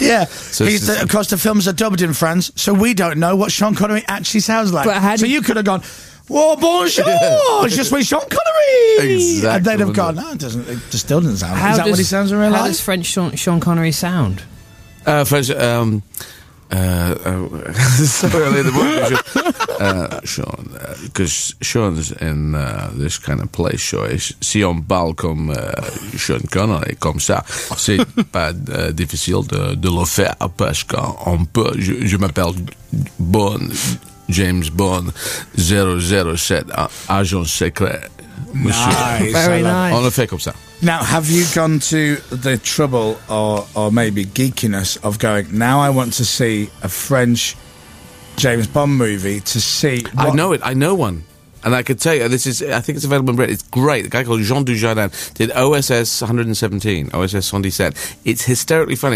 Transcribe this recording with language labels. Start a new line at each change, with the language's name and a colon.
English: Yeah, so of course, the films are dubbed in France, so we don't know what Sean Connery actually sounds like. So you could have gone, well,
French: bonjour, je suis Sean Connery!
English: Exactly. And they'd have gone, no, it still doesn't sound like that. Is that what he sounds in real life? How does French Sean Connery sound? French. So early in the morning, Sean, because Sean's in this kind of place, so
French: si on parle comme Sean Connery, comme ça, c'est pas difficile de le faire parce qu'on peut. Je m'appelle Bond, James Bond, 007, agent secret.
English: Nice. Very nice.
French: On le fait comme ça.
English: Now, have you gone to the trouble or maybe geekiness of going, now I want to see a French James Bond movie to see... I know it. I know one. And I could tell you, this is, I think it's available in Britain. It's great. A guy called Jean Dujardin did OSS 117, OSS 77. It's hysterically funny.